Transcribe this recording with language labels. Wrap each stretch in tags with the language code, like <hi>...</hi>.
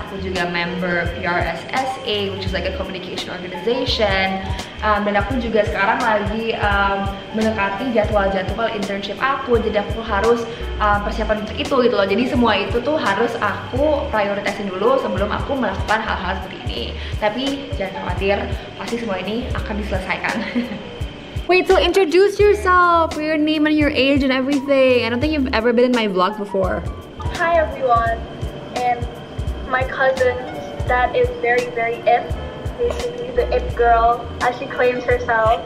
<id>Aku juga</id> <en>member PRSSA, which is like a communication organization.</en> <id>Dan aku juga sekarang lagi mendekati jadwal-jadwal internship aku. Jadi aku harus persiapan untuk itu gitu loh. Jadi semua itu tuh harus aku prioritasin dulu sebelum aku melakukan hal-hal seperti ini. Tapi jangan khawatir, pasti semua ini akan diselesaikan.</id> <en>Wait, so introduce yourself, your name and your age and everything. I don't think you've ever been in my vlog before. Hi everyone, and my cousin that is very, very it. Basically the it girl, as she claims herself.</en>